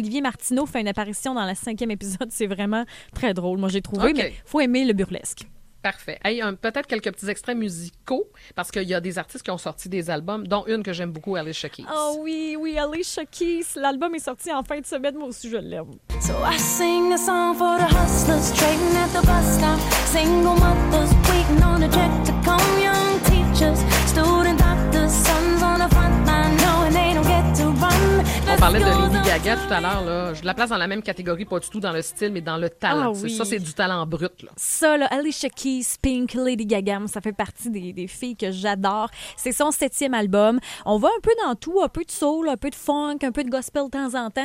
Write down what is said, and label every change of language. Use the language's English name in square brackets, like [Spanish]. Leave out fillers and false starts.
[French] Olivier Martineau fait une apparition dans le cinquième épisode. C'est vraiment très drôle, moi, j'ai trouvé. Okay. Mais il faut aimer le burlesque. Parfait. Hey, peut-être quelques petits extraits musicaux, parce qu'il y a des artistes qui ont sorti des albums, dont une que j'aime beaucoup, Alicia Keys. Oh oui, Alicia Keys. L'album est sorti en fin de semaine, moi aussi je l'aime. [English] So I sing a song for the hustlers, trading at the bus stop. Single mothers, waiting on a jet to come. Young teachers, student doctors, sons on the front line. Knowing they don't get to run. [French] On parlait de Lady Gaga tout à l'heure, là. Je la place dans la même catégorie, pas du tout dans le style, mais dans le talent. Ah, oui. Ça, c'est du talent brut, là. Ça, là, Alicia Keys, Pink, Lady Gaga, ça fait partie des filles que j'adore. C'est son septième album. On va un peu dans tout, un peu de soul, un peu de funk, un peu de gospel de temps en temps.